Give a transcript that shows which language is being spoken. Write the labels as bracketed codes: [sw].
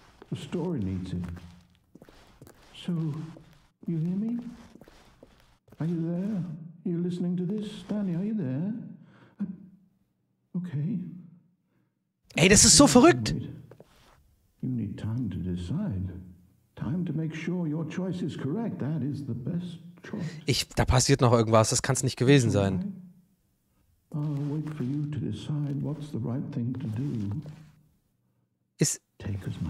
[en] The story needs it. So, you hear me? Are you there? Are you listening to this? Stanley, are you there? Okay. [de] Ey, das ist so verrückt. [en] You need time to decide. Time to make sure your choice is correct. That is the best choice. [de] Da passiert noch irgendwas, das kann's nicht gewesen sein. [en] I'll wait for you to decide what's the right thing to do.